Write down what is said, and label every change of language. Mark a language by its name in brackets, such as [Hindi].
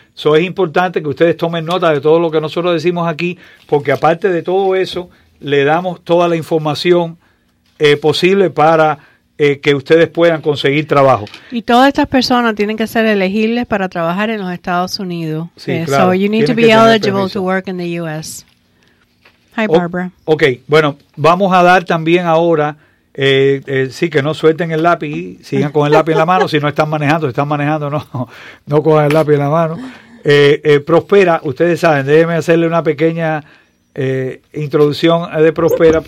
[Spanish] Eso es importante que ustedes tomen nota de todo lo que nosotros decimos aquí porque aparte de todo eso, le damos toda la información posible para que ustedes puedan conseguir trabajo. Y todas estas personas tienen que ser elegibles para trabajar en los Estados Unidos. Sí, claro. [English] So you need to be eligible to work in the U.S. Hi, Barbara. [Spanish] Ok, bueno, vamos a dar también ahora, sí, que no suelten el lápiz, sigan con el lápiz en la mano, si están manejando, no cojan el lápiz en la mano. Prospera, ustedes saben, déjenme hacerle una pequeña introducción de Prospera.